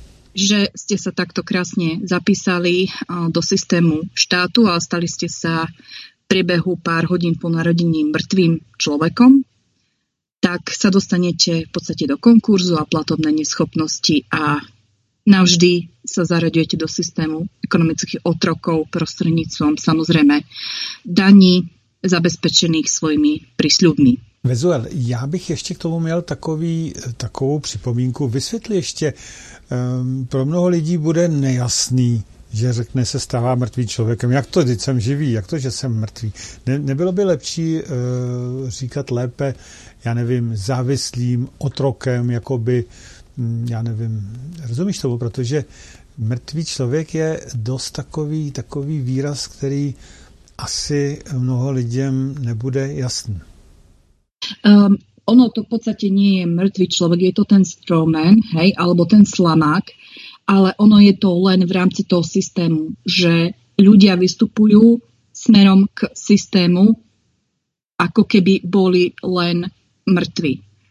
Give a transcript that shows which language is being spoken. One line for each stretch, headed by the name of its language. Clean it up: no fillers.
Slovak: že ste sa takto krásne zapísali do systému štátu a stali ste sa v priebehu pár hodín po narodení mŕtvým človekom, tak sa dostanete v podstate do konkurzu a platobnej neschopnosti a navždy sa zaraďujete do systému ekonomických otrokov prostredníctvom samozrejme daní zabezpečených svojimi prísľubmi.
Czech: Vezuel, já bych ještě k tomu měl takovou připomínku. Vysvětli ještě, pro mnoho lidí bude nejasný, že řekne se stává mrtvý člověkem. Jak to, když jsem živý, jak to, že jsem mrtvý? Nebylo by lepší říkat lépe, já nevím, závislým otrokem, jakoby, já nevím, rozumíš tomu, protože mrtvý člověk je dost takový výraz, který asi mnoho lidem nebude jasný.
Slovak: Ono to v podstate nie je mŕtvý človek, je to ten strawman, hej, alebo ten slamák, ale ono je to len v rámci toho systému, že ľudia vystupujú smerom k systému, ako keby boli len mŕtvi.